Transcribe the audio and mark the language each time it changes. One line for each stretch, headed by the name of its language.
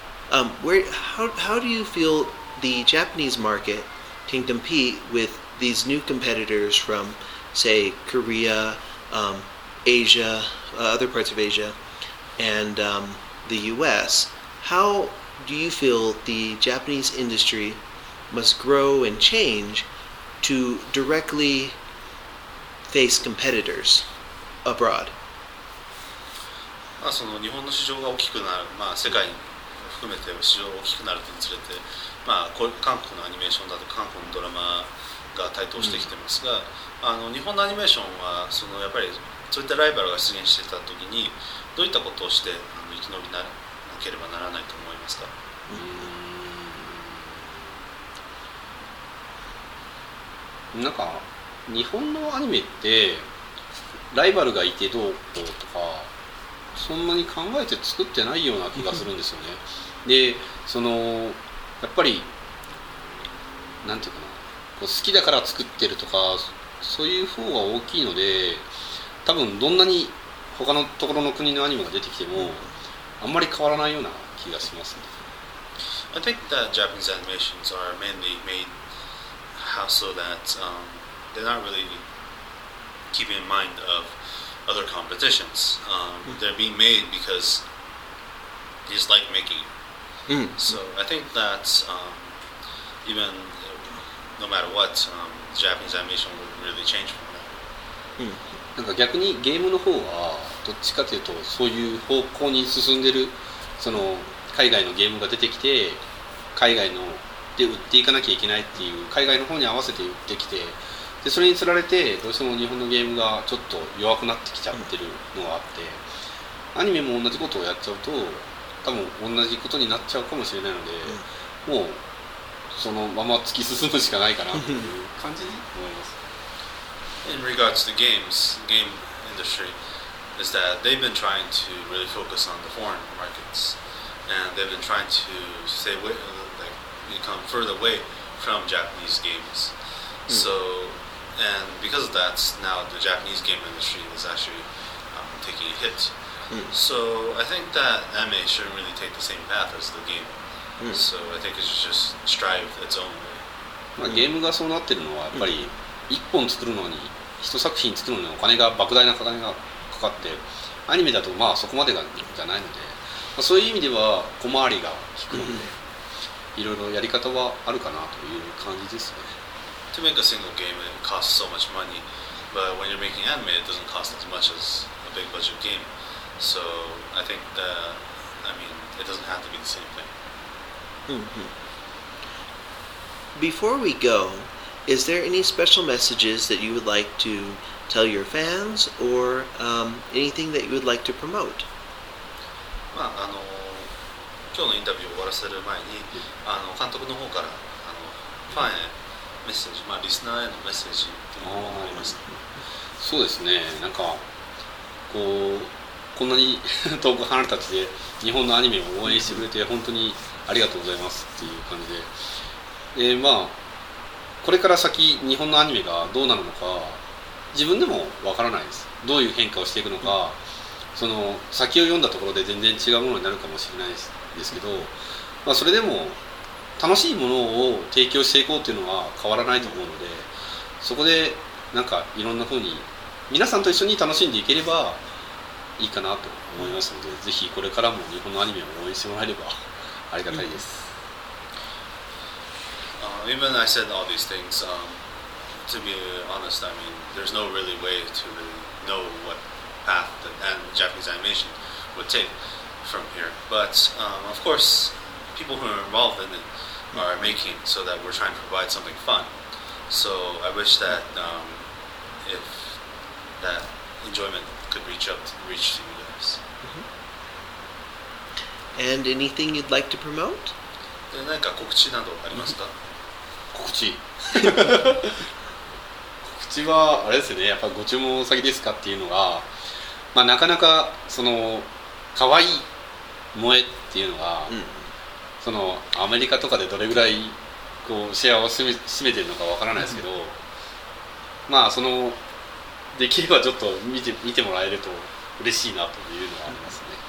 English: How do you feel the Japanese market can compete with these new competitors from, say, Korea, Asia, other parts of Asia, and the U.S.? How do you feel the Japanese industry must grow and change to directly face competitors abroad?
Japanese: まあ、その日本の市場が大きくなる、まあ、世界に含めて市場が大きくなるにつれて、まあ、韓国のアニメーションだと韓国のドラマが台頭してきてますが、日本のアニメーションはそのやっぱりそういったライバルが出現していた時にどういったことをして生き延びなければならないと思いますか？なんか日本のアニメってライバルがいてどうこうとかそんなに考えて作ってないような気がするんですよね。で、そのやっぱりなんていうかな、こう好きだから作ってるとかそういう方が大きいので、多分どんなに他のところの国のアニメが出てきてもあんまり変わらないような気がしますね。
English: I think that Japanese animations are mainly made how so that they're not really keeping in mind of other competitions. They're being made because they just like making. So I think that even no matter what, Japanese animation would really change from that.
Japanese: なんか逆にゲームの方はどっちかというとそういう方向に進んでる、その海外のゲームが出てきて海外ので売っていかなきゃいけないっていう、海外の方に合わせて売ってきて、でそれにつられてどうしても日本のゲームがちょっと弱くなってきちゃってるのがあって、アニメも同じことをやっちゃうと多分同じことになっちゃうかもしれないので、もうそのまま突き進むしかないかなっていう感じに思います。
English: In regards to games, game industry is that they've been trying to really focus on the foreign markets, and they've been trying to stay with, like, become further away from Japanese games. So, and because of that, now the Japanese game industry is actually taking a hit. So I think that anime shouldn't really take the same path as the game. So I think it should just strive its own way.
Japanese: まあ、ゲームがそうなってるのはやっぱり一本作るのに、一作品作るのにお金が莫大な金がかかって、アニメだとまあそこまでがじゃないので、まあ、そういう意味では小回りが利くので、いろいろやり方はあるかなという感じですね。
English: To make a single game it costs so much money, but when you're making anime it doesn't cost as much as a big budget game. So I think that, I mean, it doesn't have to be the same thing. Before we goIs there any special messages that you would like to tell your fans or anything that you would like to promote?
Japanese: まあ、今日のインタビューを終わらせる前に、監督の方からファンへメッセージ、まあ、リスナーへのメッセージっていうのがありました。そうですね、なんかこうこんなに遠く離れた地で日本のアニメを応援してくれて本当にありがとうございますっていう感じで、まあこれから先日本のアニメがどうなるのか自分でもわからないです。どういう変化をしていくのか、その先を読んだところで全然違うものになるかもしれないですけど、まあ、それでも楽しいものを提供していこうというのは変わらないと思うので、そこでなんかいろんなふうに皆さんと一緒に楽しんでいければいいかなと思いますので、ぜひこれからも日本のアニメを応援してもらえればありがたいです。
English: Even I said all these things, to be honest, I mean, there's no really way to really know what path that Japanese animation would take from here. But, of course, people who are involved in it are making so that we're trying to provide something fun. So I wish that if that enjoyment could reach to you guys. And anything you'd like to promote?
Japanese: で、何か告知などありますか？告知告知はあれですね、やっぱご注文先ですかっていうのが、まあ、なかなかそのかわいい萌えっていうのが、そのアメリカとかでどれぐらいこうシェアを占めてるのかわからないですけど、まあそのできればちょっと見てもらえると嬉しいなというのがありますね。